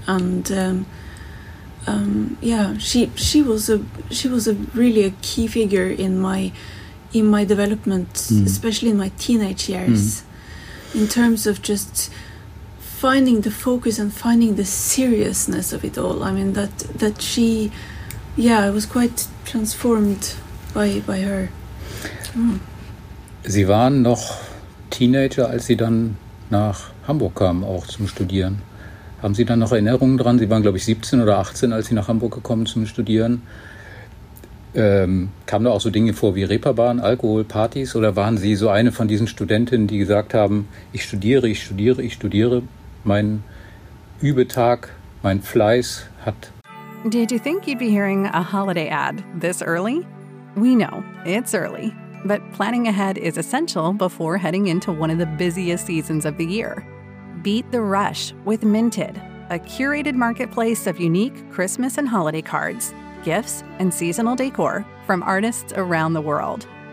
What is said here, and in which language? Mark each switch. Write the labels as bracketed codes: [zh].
[en] And she was a really a key figure in my development, especially in my teenage years, in terms of just finding the focus and finding the seriousness of it all. I mean, that she, yeah, I was quite transformed by her. [de] Sie waren noch Teenager, als sie dann nach Hamburg kam, auch zum Studieren. Haben Sie da noch Erinnerungen dran? Sie waren, glaube ich, 17 oder 18, als Sie nach Hamburg gekommen zum Studieren. Kamen da auch so Dinge vor wie Reeperbahn, Alkohol, Partys? Oder waren Sie so eine von diesen Studentinnen, die gesagt haben, ich studiere, mein Übetag, mein Fleiß hat... [en] Did you think you'd be hearing a holiday ad this early? We know, it's early. But planning ahead is essential before heading into one of the busiest seasons of the year. Beat the rush with Minted, a curated marketplace of unique Christmas and holiday cards, gifts, and seasonal decor from artists around the world.